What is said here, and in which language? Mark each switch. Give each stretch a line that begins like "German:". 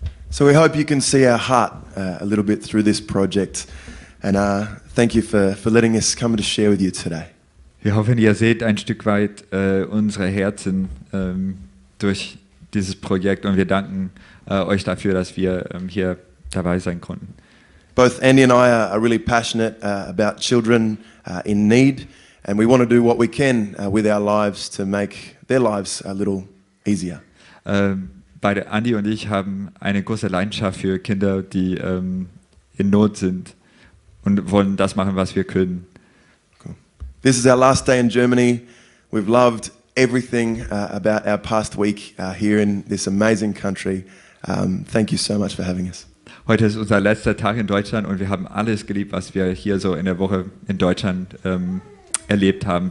English: So we hope you can see our heart a little bit through this project, and thank you for letting us come to share with you today.
German: Wir hoffen, ihr seht ein Stück weit unsere Herzen durch dieses Projekt, und wir danken euch dafür, dass wir hier dabei sein konnten.
English: Both Andy and I are really passionate about children in need, and we want to do what we can with our lives to make their lives a little easier.
German: Beide Andy und ich haben eine große Leidenschaft für Kinder, die in Not sind und wollen das machen, was wir können.
English: Cool. This is our last day in Germany. We've loved everything about our past week here in this amazing country. Thank you so much for having us.
German: Heute ist unser letzter Tag in Deutschland und wir haben alles geliebt, was wir hier so in der Woche in Deutschland erlebt haben.